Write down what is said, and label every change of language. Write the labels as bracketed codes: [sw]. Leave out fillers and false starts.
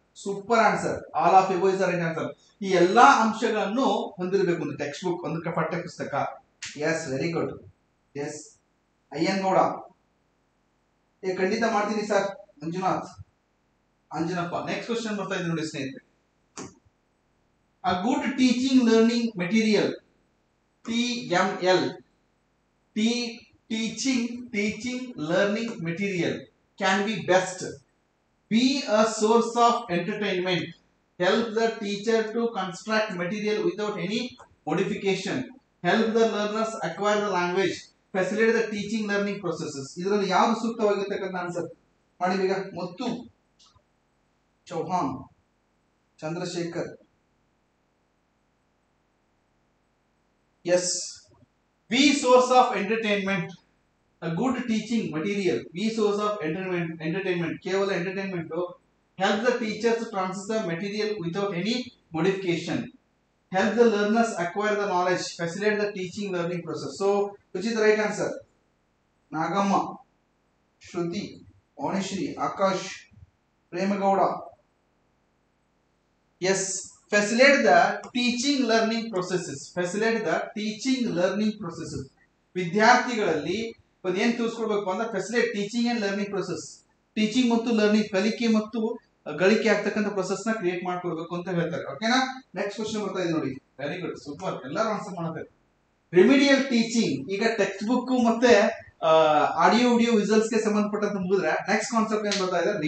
[en] Super answer, all of above is the right answer. [kn] ಈ ಎಲ್ಲಾ ಅಂಶಗಳನ್ನು ಹೊಂದಿರಬೇಕು ಒಂದು ಟೆಕ್ಸ್ಟ್ ಬುಕ್, ಒಂದು ಪಠ್ಯ ಪುಸ್ತಕ. [en] Yes, very good. [kn] S ಅಯ್ಯನ್ Gowda, ಏ ಖಂಡಿತ ಮಾಡ್ತೀನಿ sir. Manjunath, Anjanappa, [en] next question [kn] ಬರ್ತಾ ಇದೆ ನೋಡಿ ಸ್ನೇಹಿತರೆ. [en] A good teaching learning material, TML, teaching learning material can be best. Be a source of entertainment. Help the teacher to construct material without any modification. Help the learners acquire the language. Facilitate the teaching learning processes. [kn] ಇದರಲ್ಲಿ ಯಾವ್ದು ಸೂಕ್ತವಾಗಿರ್ತಕ್ಕಂಥ answer ಮಾಡಿದೀಗ? ಮತ್ತು Chauhan, Chandrashekhar, S, [en] Be source of entertainment. A good teaching material be source of entertainment, ಕೇವಲ entertainment. Help the teachers transfer the material without any modification. Help the learners acquire the knowledge. Facilitate the teaching learning process. So ಉಚಿತ right answer. Nagamma, Shruti, Onishri, Akash, Premagowda, yes, facilitate the teaching learning processes. Facilitate the teaching learning processes. [kn] ವಿದ್ಯಾರ್ಥಿಗಳಲ್ಲಿ ಒಂದೇನ್ ತಿಳ್ಸ್ಕೊಡ್ಬೇಕು ಅಂದ್ರೆ [en] Facilitate teaching and learning process. [kn] Teaching ಮತ್ತು learning, ಕಲಿಕೆ ಮತ್ತು ಗಳಿಕೆ ಆಗ್ತಕ್ಕಂಥ process ನ create ಮಾಡ್ಕೊಡ್ಬೇಕು ಅಂತ ಹೇಳ್ತಾರೆ. ಓಕೆನಾ? [en] next question [kn] ಬರ್ತಾ ಇದೆ ನೋಡಿ. [en] very good, super, [kn] ಎಲ್ಲರೂ ಆನ್ಸರ್ ಮಾಡ್ತಾರೆ. ರಿಮಿಡಿಯಲ್ ಟೀಚಿಂಗ್, ಈಗ ಟೆಕ್ಸ್ಟ್ ಬುಕ್ ಮತ್ತೆ ಆಡಿಯೋ ವಿಡಿಯೋ ರಿಸಲ್ಟ್ಸ್ ಗೆ ಸಂಬಂಧಪಟ್ಟಂತ ಮುಗಿದ್ರೆ [en] next concept [kn] ಏನ್ ಬರ್ತಾ ಇದೆ?